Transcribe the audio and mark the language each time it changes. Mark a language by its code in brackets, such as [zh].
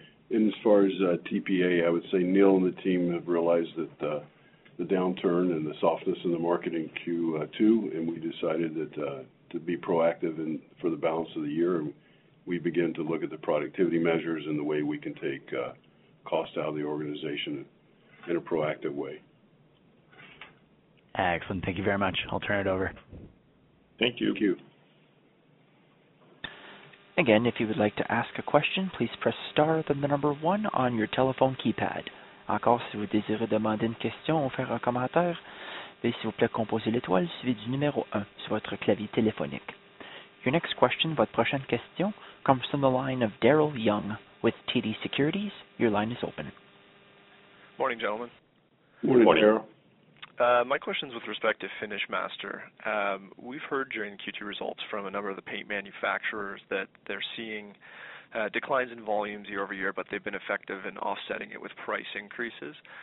[en] And as far as TPA, I would say Neil and the team have realized that the downturn and the softness in the market in Q2, and we decided that to be proactive and for the balance of the year, and we begin to look at the productivity measures and the way we can take cost out of the organization in a proactive way. Excellent. Thank you very much. I'll turn it over. Thank you. Thank you. Again, if you would like to ask a question, please press star then the number one on your telephone keypad. [fr] Encore, si vous désirez demander une question ou faire un commentaire, veuillez s'il vous plaît composer l'étoile suivi du numéro 1 sur votre clavier téléphonique. [en] Your next question, [fr] votre prochaine question, [en] comes from the line of Daryl Young with TD Securities. Your line is open. Morning, gentlemen. Morning, Daryl. My question is with respect to FinishMaster. We've heard during Q2 results from a number of the paint manufacturers that they're seeing declines in volumes year over year, but they've been effective in offsetting it with price increases.